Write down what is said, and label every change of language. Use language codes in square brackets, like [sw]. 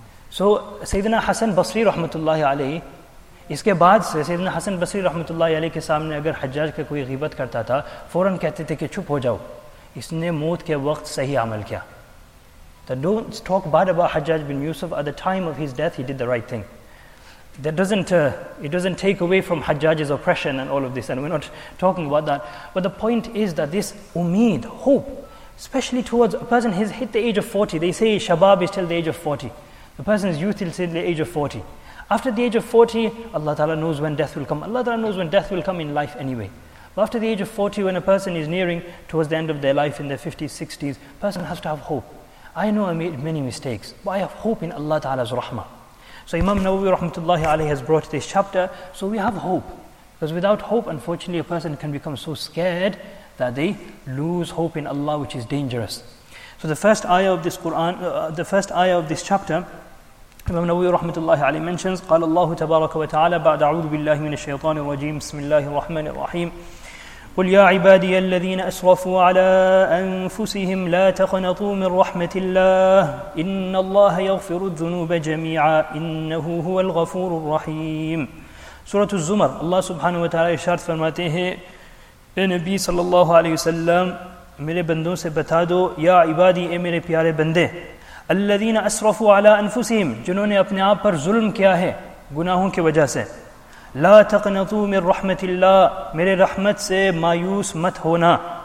[ur] So سیدنا حسن بصری رحمت اللہ علیہ, اس کے بعد سے سیدنا حسن بصری رحمۃ اللہ علیہ کے سامنے اگر حجاج کا کوئی غیبت کرتا تھا, فوراً کہتے تھے کہ چھپ ہو جاؤ, اس نے موت کے وقت صحیح عمل کیا. [en] تو don't talk bad about Hajjaj bin Yusuf, at the time of his death he did the right thing. That doesn't take away from Hajjaj's oppression and all of this, and we are not talking about that, but the point is that this امید, hope, especially towards a person has hit the age of 40, they say شباب is till the age of 40, the person is youth till the age of 40. After the age of 40, Allah Ta'ala knows when death will come. Allah Ta'ala knows when death will come in life anyway. But after the age of 40, when a person is nearing towards the end of their life in their 50s, 60s, person has to have hope. I know I made many mistakes, but I have hope in Allah Ta'ala's rahmah. So Imam Nawawi rahmatullahi alayhi has brought this chapter, so we have hope. Because without hope, unfortunately, a person can become so scared that they lose hope in Allah, which is dangerous. So the first ayah of this Quran, the first ayah of this chapter, Imam Nawawi rahmatullahi alayhi mentions, [ar] قال الله تبارك وتعالى بعد أعوذ بالله من الشيطان الرجيم بسم الله الرحمن الرحيم قل يا عبادي الذين أسرفوا على أنفسهم لا تقنطوا من رحمة الله إن الله يغفر الذنوب جميعا إنه هو الغفور الرحيم. [ur] سورة الزمر, الله سبحانه وتعالى إشارت فرماتے ہیں, اے نبی صلی اللہ علیہ وسلم, میرے بندوں سے بتا دو, [ar] یا عبادی, [ur] اے میرے پیارے بندے, [ar] الذين اسرفوا على انفسهم, [ur] جنہوں نے اپنے آپ پر ظلم کیا ہے گناہوں کی وجہ سے, [ar] لا تقنطوا من رحمت اللہ, [ur] میرے رحمت سے مایوس مت ہونا,